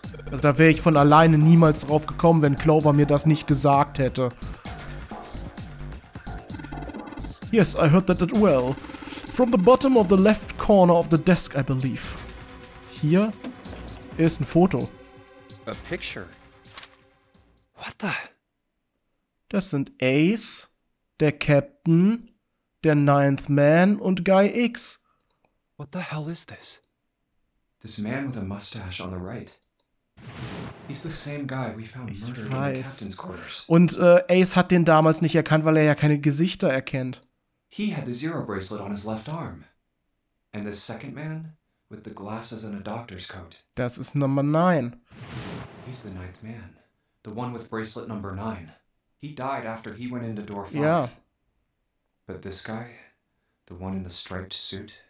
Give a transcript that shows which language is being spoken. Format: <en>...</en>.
<de>Also, da wäre ich von alleine niemals drauf gekommen, wenn Clover mir das nicht gesagt hätte.</de> <en>Yes, I heard that as well. From the bottom of the left corner of the desk, I believe.</en> <de>Hier ist ein Foto.</de> <en>A picture. What the?</en> <de>Das sind Ace, der Captain, der Ninth Man und Guy X.</de> <en>What the hell is this? This man with a mustache on the right. He's the same guy we found murdered in the captain's quarters.</en> <de>Und Ace hat den damals nicht erkannt, weil er ja keine Gesichter erkennt.</de> <en>He had the Zero bracelet on his left arm. And the second man with the glasses and a doctor's coat.</en> <de>Das ist Nummer 9.</de> <en>He's the ninth man. The one with bracelet number 9. He died after he went into door 5.</en> <de>Ja.</de> <en>But this guy, the one in the striped suit.</en>